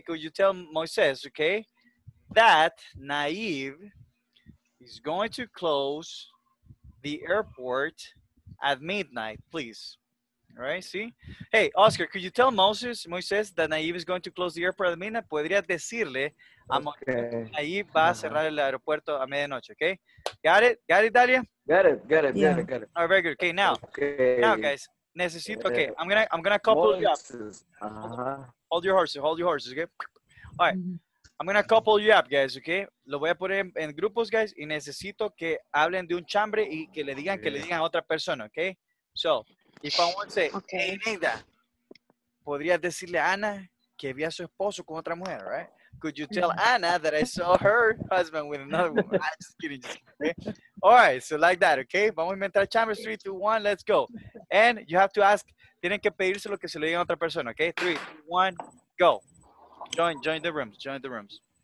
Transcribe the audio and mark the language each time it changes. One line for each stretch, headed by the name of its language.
English: Could you tell Moses, okay, that Naive is going to close the airport at midnight, please. All right, see? Hey, Oscar, could you tell Moses that Naive is going to close the airport at midnight?
Spanish: ¿Podrías decirle a Moses que Naive va a cerrar el aeropuerto a medianoche, okay?
English: Got it, Dalia? Got it. All right, very good. Okay, now. Okay. Now, guys, necesito, okay, I'm gonna couple you up. Hold your horses, okay? All right. Mm-hmm. I'm going to couple you up, guys, okay?
Spanish: Lo voy a poner en grupos, guys, y necesito que hablen de un chambre y que le digan, que le digan a otra persona, okay?
English: So, if I want to say, okay.
Spanish: Hey, Neida, ¿podrías decirle a Ana que vi a su esposo con otra mujer, right?
English: Could you tell Ana that I saw her husband with another woman? I'm just kidding, okay? All right, so like that, okay?
Spanish: Vamos a inventar chambre,
English: 3, 2, 1, let's go. And you have to ask,
Spanish: tienen que pedirse lo que se le diga a otra persona, okay?
English: 3, 2, 1, go. Join the rooms.